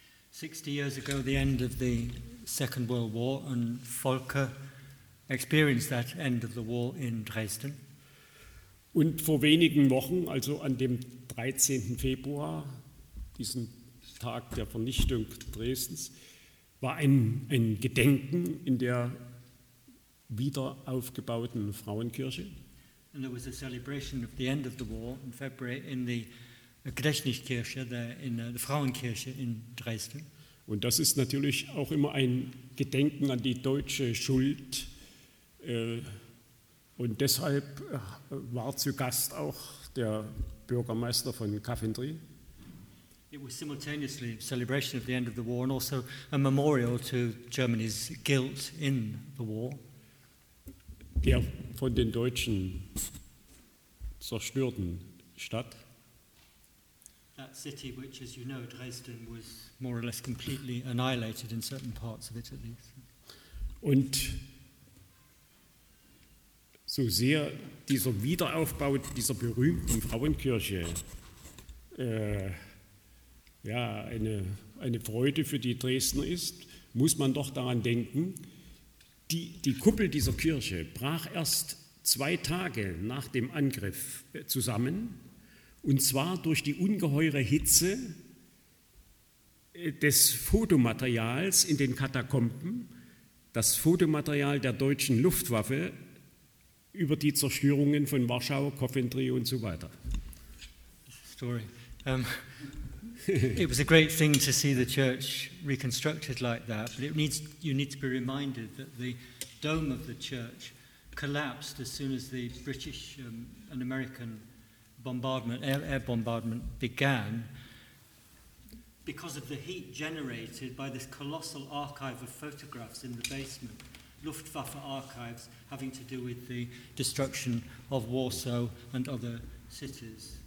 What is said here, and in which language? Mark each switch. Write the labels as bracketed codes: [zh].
[en] 60 years ago, the end of the Second World War, and Volker experienced that end of the war in Dresden. [de] Und vor wenigen Wochen, also an dem 13. Februar, diesen Tag der Vernichtung Dresdens, war ein Gedenken in der wieder aufgebauten Frauenkirche. [en] And there was a celebration of the end of the war in February in the Gedächtniskirche, the Frauenkirche in Dresden. [de] Und das ist natürlich auch immer ein Gedenken an die deutsche Schuld. Und deshalb war zu Gast auch der Bürgermeister von Coventry. [en] It was simultaneously a celebration of the end of the war and also a memorial to Germany's guilt in the war. [de] Der von den Deutschen zerstörten Stadt. [en] That city, which, as you know, Dresden was more or less completely annihilated in certain parts of it at least. [de] Und so sehr dieser Wiederaufbau dieser berühmten Frauenkirche eine Freude für die Dresdner ist, muss man doch daran denken, Die Kuppel dieser Kirche brach erst zwei Tage nach dem Angriff zusammen, und zwar durch die ungeheure Hitze des Fotomaterials in den Katakomben, das Fotomaterial der deutschen Luftwaffe über die Zerstörungen von Warschau, Coventry und so weiter. [en] Story. It was a great thing to see the church reconstructed like that, but you need to be reminded that the dome of the church collapsed as soon as the British and American bombardment, air bombardment began, because of the heat generated by this colossal archive of photographs in the basement, Luftwaffe archives having to do with the destruction of Warsaw and other cities.